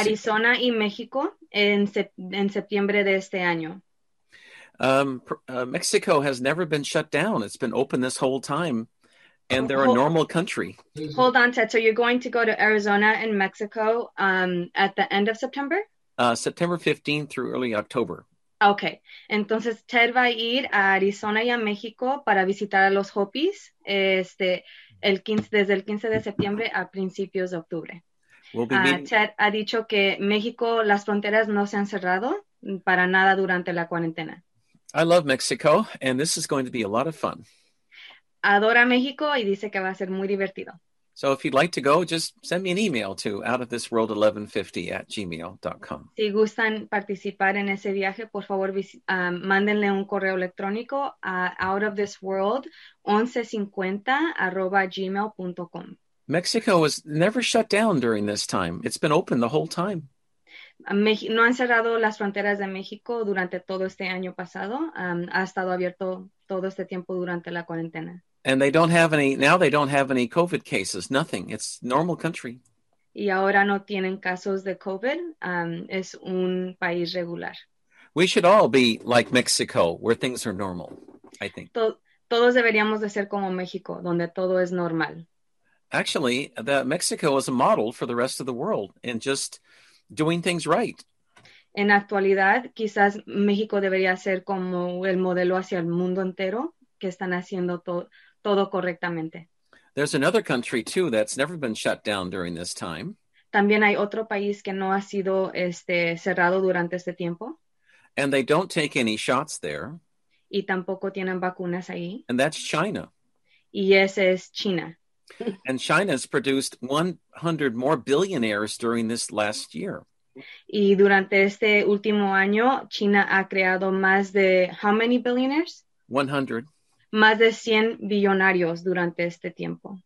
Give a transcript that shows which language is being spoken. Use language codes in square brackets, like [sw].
[es] Arizona y México en septiembre de este año. [en] Mexico has never been shut down. It's been open this whole time. And they're a normal country. Hold on, Ted. So you're going to go to Arizona and Mexico at the end of September? September 15th through early October. Okay. [es] Entonces, Ted va a ir a Arizona y a México para visitar a los Hopis desde el 15 de septiembre a principios de octubre. [en] We'll be meeting... [es] Ted ha dicho que México, las fronteras no se han cerrado para nada durante la cuarentena. [en] I love Mexico, and this is going to be a lot of fun. [es] Adora México y dice que va a ser muy divertido. [en] So if you'd like to go, just send me an email to outofthisworld1150@gmail.com. [es] Si gustan participar en ese viaje, por favor, mándenle un correo electrónico a outofthisworld1150@gmail.com. [en] Mexico was never shut down during this time. It's been open the whole time. [es] No han cerrado las fronteras de México durante todo este año pasado. Ha estado abierto todo este tiempo durante la cuarentena. [en] And they don't have any, now they don't have any COVID cases, nothing. It's normal country. [es] y ahora no tienen casos de COVID, es un país regular. [en] We should all be like Mexico, where things are normal, I think. [es] Todos deberíamos de ser como México, donde todo es normal. [en] Actually, that Mexico is a model for the rest of the world in just doing things right. [es] En actualidad, quizás México debería ser como el modelo hacia el mundo entero, que están haciendo todo correctamente. [en] There's another country too that's never been shut down during this time. [es] También hay otro país que no ha sido cerrado durante este tiempo. [en] And they don't take any shots there. [es] Y tampoco tienen vacunas ahí. [en] And that's China. [es] Y ese es China. [en] And China's produced 100 more billionaires during this last year. [es] Y durante este último año, China ha creado más de, [en] how many billionaires? 100. [es] Más de 100 billonarios durante este tiempo.